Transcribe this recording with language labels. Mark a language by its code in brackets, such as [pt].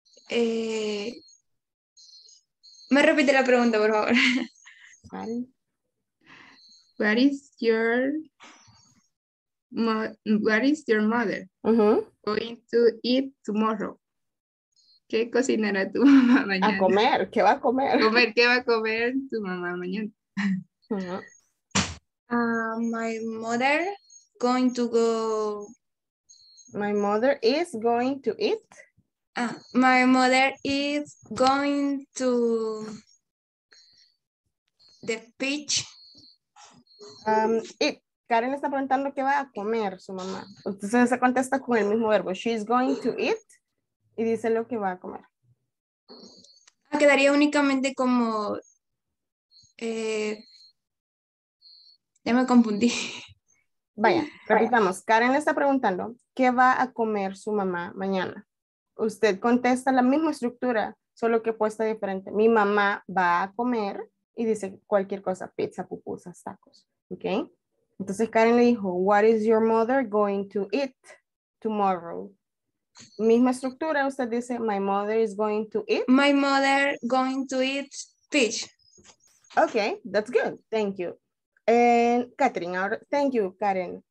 [es] Me repite la pregunta, por favor. ¿Cuál? [en] What is your what is your mother going to eat tomorrow? [es] ¿Qué cocinará tu mamá mañana? A comer, ¿qué va a comer? Comer, ¿qué va a comer tu mamá mañana? [en] My mother going to go. My mother is going to eat. My mother is going to the beach. It. [es] Karen está preguntando qué va a comer su mamá. Entonces se contesta con el mismo verbo. [en] She's going to eat. [es] Y dice lo que va a comer. Quedaría únicamente como... ya me confundí. Vaya, repitamos. Karen le está preguntando qué va a comer su mamá mañana. Usted contesta la misma estructura, solo que puesta diferente. Mi mamá va a comer y dice cualquier cosa. Pizza, pupusas, tacos. ¿Ok? Entonces Karen le dijo, [en] what is your mother going to eat tomorrow? [es] Misma estructura, usted dice, [en] my mother is going to eat. My mother going to eat fish. Okay, that's good. Thank you. And Katherine, ahora, thank you, Karen.